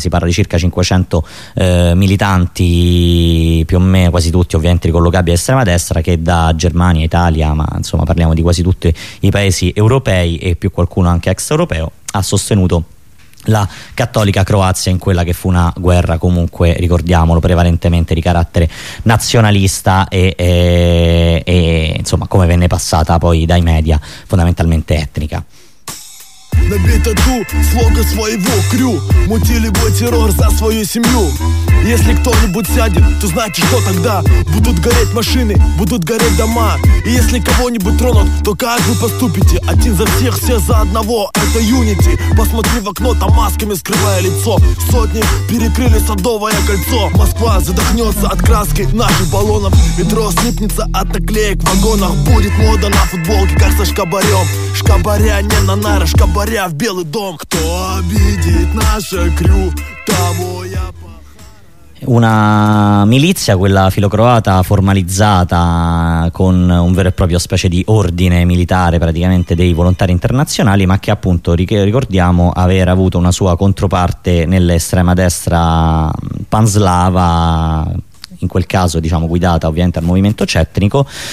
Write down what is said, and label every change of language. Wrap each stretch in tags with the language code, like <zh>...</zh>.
<it>Si parla di circa 500 militanti, più o meno quasi tutti ovviamente ricollocabili a estrema destra, che da Germania, Italia, ma insomma parliamo di quasi tutti i paesi europei e più qualcuno anche extraeuropeo, ha sostenuto la cattolica Croazia in quella che fu una guerra, comunque ricordiamolo, prevalentemente di carattere nazionalista e insomma come venne passata poi dai media, fondamentalmente etnica.</it> <ru>Набито ту, слога своего крю, мутили бы террор за свою семью. Если кто-нибудь сядет, то знаете, что тогда? Будут гореть машины, будут гореть дома. И если кого-нибудь тронут, то как вы поступите? Один за всех, все за одного, это Unity. Посмотри в окно, там масками скрывая лицо. Сотни перекрыли Садовое кольцо. Москва задохнется от краски наших баллонов. Метро слипнется от наклеек в вагонах. Будет мода на футболке, как со шкабарем. Шкабаря не на нары, шкабаря в белый дом. Кто обидит наше крю, того я.</ru> <it>Una milizia, quella filocroata, formalizzata con un vero e proprio specie di ordine militare, praticamente dei volontari internazionali, ma che appunto ricordiamo aver avuto una sua controparte nell'estrema destra panslava, in quel caso diciamo guidata ovviamente al movimento cetnico,</it>